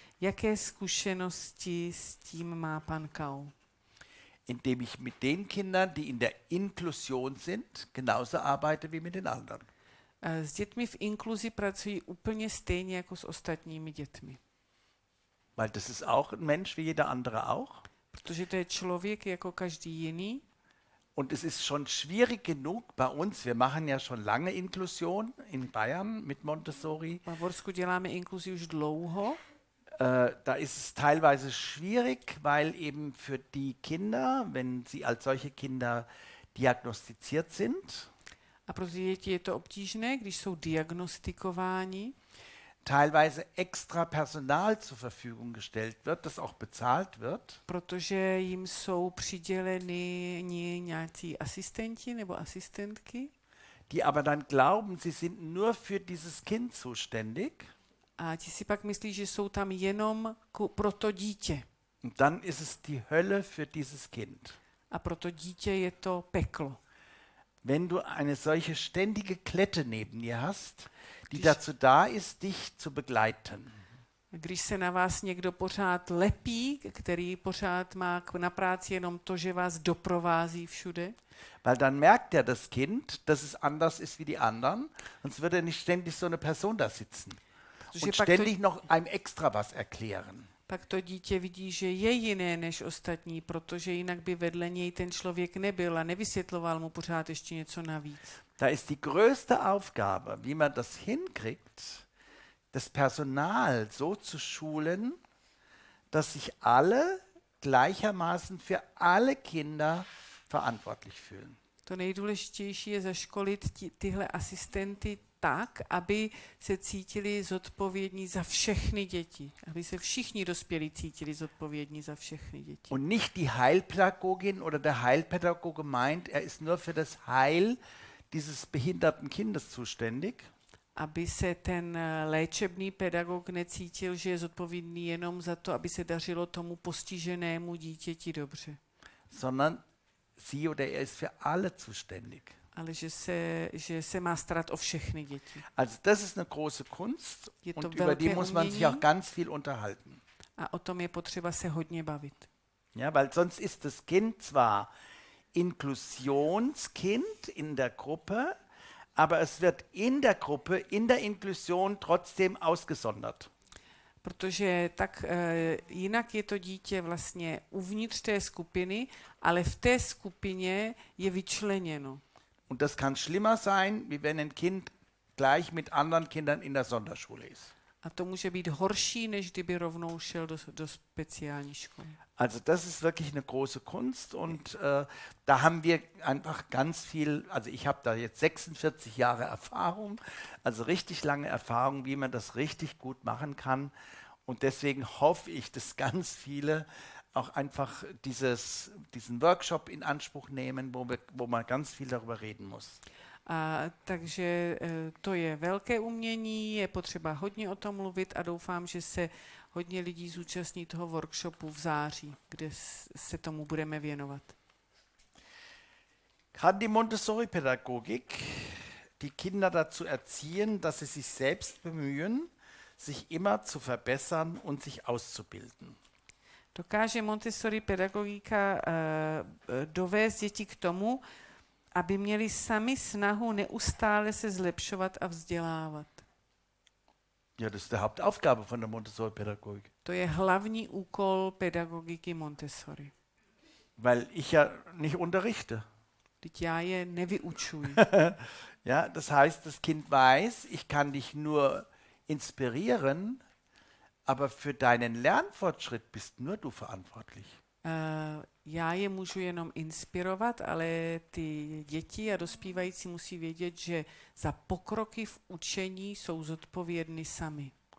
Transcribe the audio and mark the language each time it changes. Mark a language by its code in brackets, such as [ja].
[cs] Jaké zkušenosti s tím má pan Kau? [de] Indem ich mit den Kindern, die in der Inklusion sind, genauso arbeite wie mit den anderen. [cs] S dětmi v inkluzi pracuji úplně stejně jako s ostatními dětmi. [de] Weil das ist auch ein Mensch wie jeder andere auch. [cs] Protože to je člověk jako každý jiný. [de] Und es ist schon schwierig genug bei uns, wir machen ja schon lange Inklusion in Bayern mit Montessori. [cs] V Bavorsku děláme inkluzi už dlouho. [de] Da ist es teilweise schwierig, weil eben für die Kinder, wenn sie als solche Kinder diagnostiziert sind, [cs] a pro ty děti je to obtížné, když jsou diagnostikováni, [de] teilweise extra Personal zur Verfügung gestellt wird, das auch bezahlt wird. [cs] Protože jim jsou přiděleni nějací asistenti nebo asistentky. [de] Die aber dann glauben, sie sind nur für dieses Kind zuständig. [cs] A ti si pak myslí, že jsou tam jenom pro to dítě. [de] Und dann ist es die Hölle für dieses Kind. [cs] A pro to dítě je to peklo. [de] Wenn du eine solche ständige Klette neben dir hast, die dazu da ist, dich zu begleiten. [cs] Když se na vás někdo pořád lepí, který pořád má na práci jenom to, že vás doprovází všude. [de] Weil dann merkt ja das Kind, dass es anders ist wie die anderen, sonst würde nicht ständig so eine Person da sitzen. Und ständig noch einem extra was erklären. [cs] Pak to dítě vidí, že je jiné než ostatní, protože jinak by vedle něj ten člověk nebyl a nevysvětloval mu pořád ještě něco navíc. [de] Da ist die größte Aufgabe, wie man das hinkriegt, das Personal so zu schulen, dass sich alle gleichermaßen für alle Kinder verantwortlich fühlen. [cs] To nejdůležitější je zaškolit tyhle asistenty tak, aby se cítili zodpovědní za všechny děti. Aby se všichni dospělí cítili zodpovědní za všechny děti. [de] Und nicht die Heilpädagogin oder der Heilpädagoge meint, er ist nur für das Heil dieses behinderten Kindes zuständig. [cs] Aby se ten léčebný pedagog necítil, že je zodpovědný jenom za to, aby se dařilo tomu postiženému dítěti dobře. [de] Sondern sie oder er ist für alle zuständig. [cs] Ale že se má starat o všechny děti. [de] Also das ist eine große Kunst und über die muss man sich auch ganz viel unterhalten. [cs] A o tom je potřeba se hodně bavit. [de] Ja, weil sonst ist das Kind zwar Inklusionskind in der Gruppe, aber es wird in der Gruppe, in der Inklusion trotzdem ausgesondert. [cs] Protože tak jinak je to dítě vlastně uvnitř té skupiny, ale v té skupině je vyčleněno. [de] Und das kann schlimmer sein, wie wenn ein Kind gleich mit anderen Kindern in der Sonderschule ist. [cs] A to může být horší, než kdyby rovnou šel do speciální školy. [de] Also das ist wirklich eine große Kunst und da haben wir einfach ganz viel, also ich habe da jetzt 46 Jahre Erfahrung, also richtig lange Erfahrung, wie man das richtig gut machen kann. Und deswegen hoffe ich, dass ganz viele auch einfach diesen Workshop in Anspruch nehmen, wo man ganz viel darüber reden muss. [cs] A takže to je velké umění, je potřeba hodně o tom mluvit a doufám, že se hodně lidí zúčastní toho workshopu v září, kde se tomu budeme věnovat. [de] Kann die Montessori-Pädagogik die Kinder dazu erziehen, dass sie sich selbst bemühen, sich immer zu verbessern und sich auszubilden? [cs] Dokáže Montessori-Pädagogika dovést děti k tomu, aby měli sami snahu neustále se zlepšovat a vzdělávat. [de] Ja, das ist die Hauptaufgabe von der Montessori-Pädagogik. [cs] To je hlavní úkol pedagogiky Montessori. [de] Weil ich ja nicht unterrichte. [cs] Teď já je nevyučuji. [de] Ja, das heißt, das Kind weiß, ich kann dich nur inspirieren, aber für deinen Lernfortschritt bist nur du verantwortlich. [cs] Já je můžu jenom inspirovat, ale ty děti a dospívající musí vědět, že za pokroky v učení jsou zodpovědní sami.